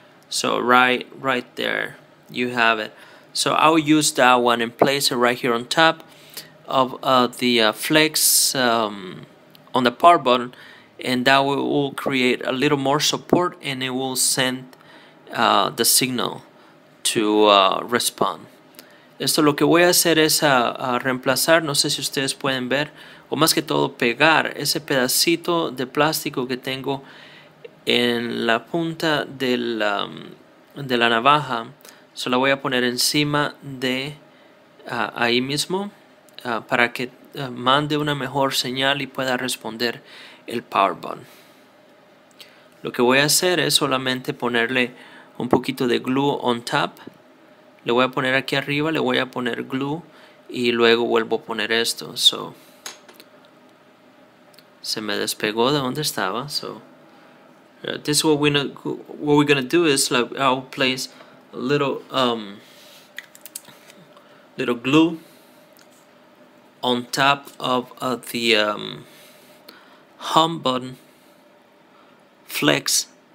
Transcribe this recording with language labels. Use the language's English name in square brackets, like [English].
[English] So right there, you have it. So I will use that one and place it right here on top of the flex on the power button, and that will create a little more support, and it will send the signal to respond. [Spanish] Esto lo que voy a hacer es a reemplazar, no sé si ustedes pueden ver, o más que todo pegar ese pedacito de plástico que tengo en la punta de la navaja. Se la voy a poner encima de ahí mismo para que mande una mejor señal y pueda responder el power button. Lo que voy a hacer es solamente ponerle un poquito de [English] glue on top. [Spanish] Le voy a poner aquí arriba, le voy a poner glue y luego vuelvo a poner esto. So, se me despegó de donde estaba. [English] So, this is what we're gonna do is like I'll place a little glue on top of the home button flex.